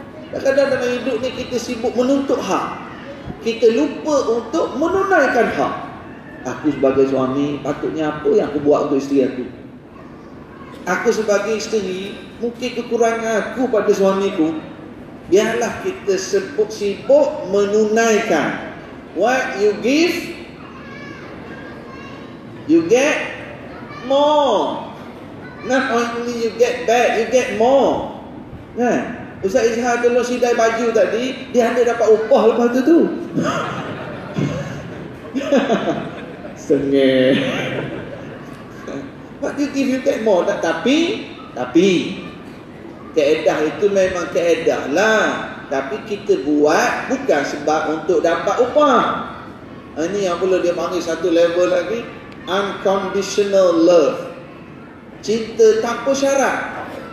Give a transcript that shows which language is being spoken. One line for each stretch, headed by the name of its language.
Malay: Kadang-kadang dalam hidup ni kita sibuk menuntut hak, kita lupa untuk menunaikan hak. Aku sebagai suami, patutnya apa yang aku buat untuk isteri aku? Aku sebagai isteri, mungkin kekurangan aku pada suamiku. Biarlah kita sibuk-sibuk menunaikan.
English: What you give, you get more. Not only you get back, you get more.
Malay: Kan? Ustaz Izhar kena sidai baju tadi, dia hanya dapat upah lepas tu. Sengih.
English: But you give you take more.
Malay: Tapi keedah itu memang keedah lah. Tapi kita buat bukan sebab untuk dapat upah. Ini yang perlu dia panggil satu level lagi.
English: Unconditional love.
Malay: Cinta tanpa syarat.